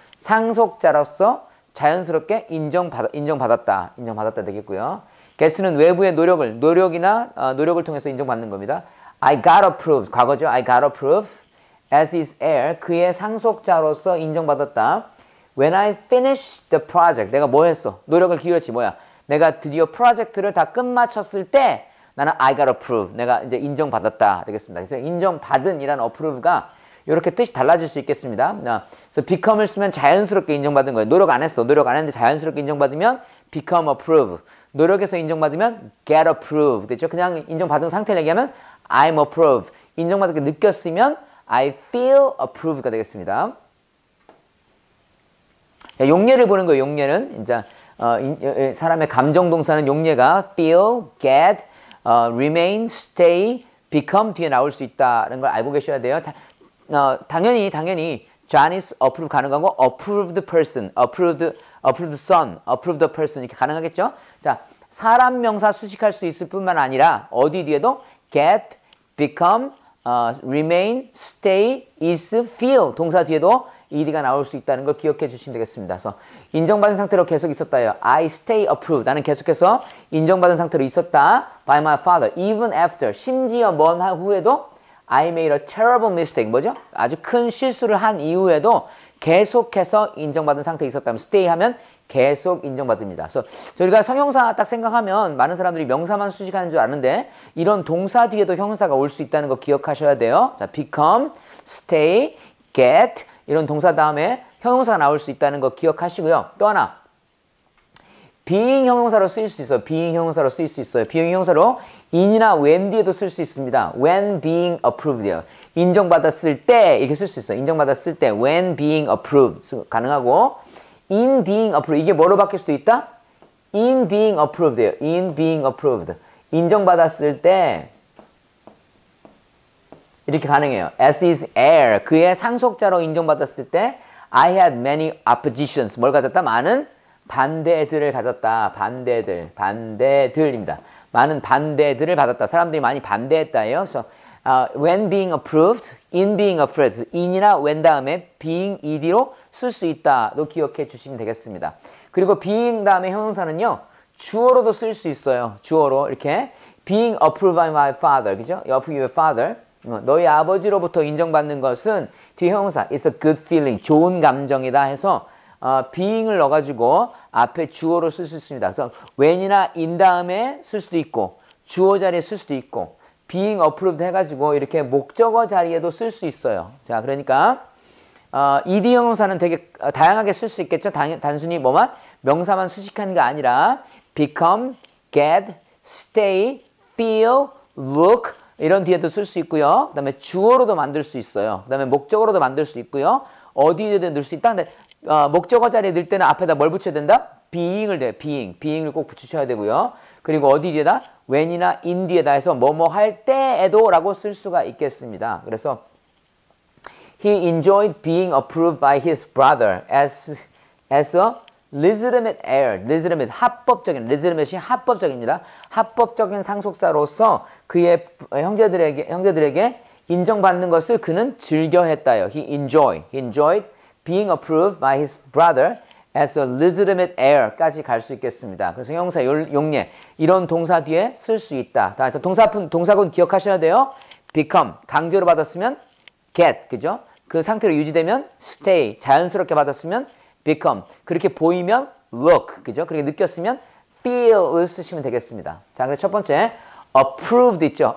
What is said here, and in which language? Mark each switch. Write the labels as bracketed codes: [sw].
[ko] 상속자로서 자연스럽게 인정받았다 되겠고요. Get는 외부의 노력을 노력을 통해서 인정받는 겁니다. [en] I got approved. 과거죠. I got approved as his heir. [ko] 그의 상속자로서 인정받았다. [en] When I finished the project. [ko] 내가 뭐 했어? 노력을 기울였지. 뭐야? 내가 드디어 프로젝트를 다 끝마쳤을 때 나는 [en] I got approved. [ko] 내가 이제 인정받았다 되겠습니다. 그래서 인정받은이란 approve가 이렇게 뜻이 달라질 수 있겠습니다. 그래서 become을 쓰면 자연스럽게 인정받은 거예요. 노력 안 했어. 노력 안 했는데 자연스럽게 인정받으면 become approved. 노력해서 인정받으면 get approved. 그렇죠? 그냥 인정받은 상태를 얘기하면 I'm approved. 인정받은 게 느꼈으면 [en] I feel approved [ko] 가 되겠습니다. 용례를 보는 거예요. 용례는 이제 사람의 감정 동사는 용례가 feel, get, remain, stay, become 뒤에 나올 수 있다는 걸 알고 계셔야 돼요. 당연히 John is approved 가능한 거 approved person, approved son, approved person 이렇게 가능하겠죠? 자, 사람 명사 수식할 수 있을 뿐만 아니라 어디 뒤에도 get, become, remain, stay, is, feel 동사 뒤에도 ed가 나올 수 있다는 걸 기억해 주시면 되겠습니다. 그래서 인정받은 상태로 계속 있었다요. [en] I stay approved. [ko] 나는 계속해서 인정받은 상태로 있었다. [en] By my father. Even after. [ko] 심지어 뭔 후에도 [en] I made a terrible mistake. [ko] 뭐죠? 아주 큰 실수를 한 이후에도 계속해서 인정받은 상태에 있었다면 stay 하면 계속 인정받습니다. 그래서 저희가 성형사 딱 생각하면 많은 사람들이 명사만 수식하는 줄 아는데 이런 동사 뒤에도 형용사가 올 수 있다는 거 기억하셔야 돼요. 자, become, stay, get 이런 동사 다음에 형용사가 나올 수 있다는 거 기억하시고요. 또 하나, being 형용사로 쓰일 수 있어요. being 형용사로 쓰일 수 있어요. being 형용사로 in이나 when 뒤에도 쓸 수 있습니다. when being approved 요 인정받았을 때 이렇게 쓸 수 있어요. 인정받았을 때 when being approved 가능하고 in being approved 이게 뭐로 바뀔 수도 있다? [en] in being approved 요 in being approved 인정받았을 때 이렇게 가능해요. as his heir 그의 상속자로 인정받았을 때 I had many oppositions [ko] 뭘 가졌다? 많은 반대들을 가졌다. 반대들. 반대들입니다. 많은 반대들을 받았다. 사람들이 많이 반대했다. 요 so, when being approved, in being approved, in이나 when 다음에 being ed로 쓸 수 있다. 도 기억해 주시면 되겠습니다. 그리고 being 다음에 형용사는요, 주어로도 쓸 수 있어요. 주어로. 이렇게. [en] being approved by my father. [ko] 그죠? [en] approved by your father. [ko] 너희 아버지로부터 인정받는 것은 뒤에 형용사. [en] it's a good feeling. 좋은 감정이다. [ko] 해서 being을 넣어가지고 앞에 주어로 쓸 수 있습니다. 그래서 when이나 in 다음에 쓸 수도 있고 주어 자리에 쓸 수도 있고 being approved 해가지고 이렇게 목적어 자리에도 쓸 수 있어요. 자, 그러니까 ed 형용사는 되게 다양하게 쓸 수 있겠죠. 단순히 뭐만 명사만 수식하는 게 아니라 become, get, stay, feel, look 이런 뒤에도 쓸 수 있고요. 그 다음에 주어로도 만들 수 있어요. 그 다음에 목적어로도 만들 수 있고요. 어디에도 넣을 수 있다. 근데 목적어 자리에 넣을 때는 앞에다 뭘 붙여야 된다? being을 돼요. being. being을 꼭 붙이셔야 되고요. 그리고 어디 뒤에다? when이나 in 뒤에다 해서 뭐뭐 할 때에도 라고 쓸 수가 있겠습니다. [en] 그래서 he enjoyed being approved by his brother as a legitimate heir. legitimate. 합법적인. [ko] legitimate이 합법적입니다. 합법적인 상속자로서 그의 형제들에게 인정받는 것을 그는 즐겨했다요. [en] He enjoyed. He enjoyed being approved by his brother as a legitimate heir까지 [ko] 갈 수 있겠습니다. 그래서 형사 용례 이런 동사 뒤에 쓸 수 있다. 다 해서 동사군 기억하셔야 돼요. become 강제로 받았으면 get 그죠? 그 상태로 유지되면 stay 자연스럽게 받았으면 become 그렇게 보이면 look 그죠? 그렇게 느꼈으면 feel을 쓰시면 되겠습니다. 자, 그래서 첫 번째 approved 있죠?